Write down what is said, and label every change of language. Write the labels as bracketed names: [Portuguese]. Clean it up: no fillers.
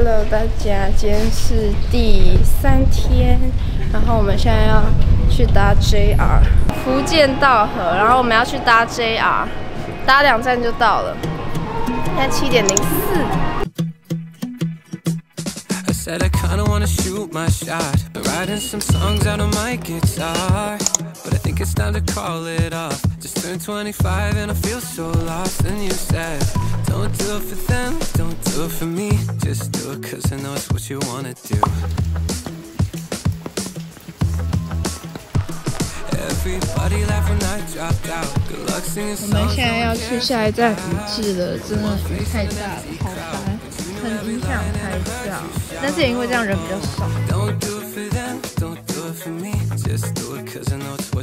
[Chinese] 大家，今天是第三天，然后我们现在要去搭 JR 福建道河，然后我们要去搭 JR， 搭两站就到了，现在7:04。 [English] Said I kinda wanna shoot my shot, writing some songs out on my guitar. But I think it's time to call it off. Just turned 25 and I feel so lost. And you said, don't do it for them, don't do it for me. Just do it 'cause I know it's what you wanna do. Everybody laughed when I dropped out. Good luck singing songs. [Chinese] 我们现在要去下一站福治了，真的雨太大了，好烦。很影响拍照，但是也因为这样人比较少。我们现在要去吃那个什么